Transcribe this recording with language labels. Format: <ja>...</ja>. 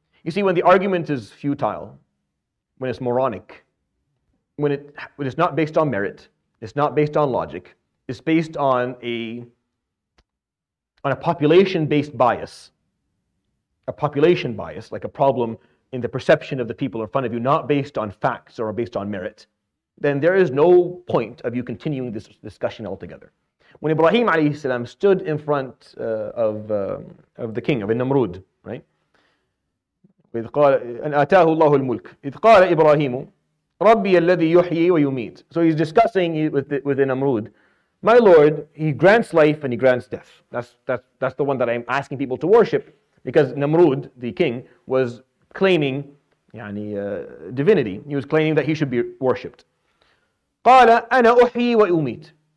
<en>You see, when the argument is futile, when it's moronic, when it's not based on merit, it's not based on logic, it's based on a population-based bias, a population bias, like a problem in the perception of the people in front of you, not based on facts or based on merit, then there is no point of you continuing this discussion altogether. When Ibrahim alayhi salam stood in front of the king, of Namrud, right?</en> <ar>إذ قال أن أتاه الله الملك إذ قال إبراهيم ربي الذي يحيي ويميت.</ar> <en>So he's discussing with Namrud, my lord, he grants life and he grants death. That's the one that I'm asking people to worship, because Namrud, the king, was claiming divinity. He was claiming that he should be worshipped.</en> <ar>قال أنا أحيي وأميت.</ar>